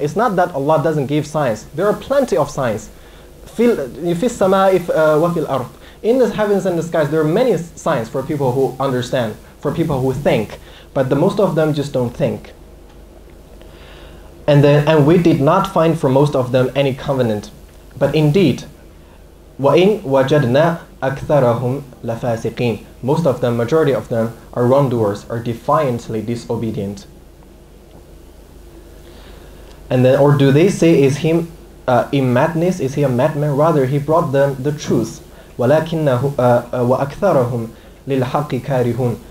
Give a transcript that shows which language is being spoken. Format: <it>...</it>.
<en>It's not that Allah doesn't give signs. There are plenty of signs.</en> <ar>فِي السَّمَاءِ وَفِي الْأَرْضِ.</ar> <en>In the heavens and the skies, there are many signs for people who understand, for people who think. But the most of them just don't think. And we did not find for most of them any covenant. But indeed,</en> <ar>وَإِنْ وَجَدْنَا أَكْثَرَهُمْ لَفَاسِقِينَ.</ar> <en>Most of them, majority of them, are wrongdoers, are defiantly disobedient. And then, or do they say, is him in madness? Is he a madman? Rather, he brought them the truth.</en> <ar>وَلَكِنَّهُ وَأَكْثَرَهُمْ لِلْحَقِّ كَارِهُمْ.</ar>